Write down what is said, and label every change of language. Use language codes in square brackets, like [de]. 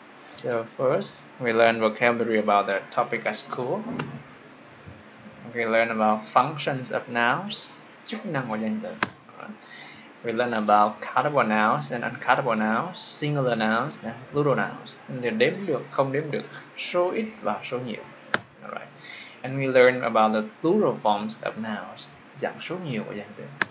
[en] So first, we learn vocabulary about the topic at school. We learn about functions of nouns, [vi] chức năng của danh từ. [en] We learn about countable nouns and uncountable nouns, singular nouns and plural nouns. [vi] Để đếm được, không đếm được, số ít và số nhiều. Alright. [en] And we learn about the plural forms of nouns, [vi] dạng số nhiều của danh từ.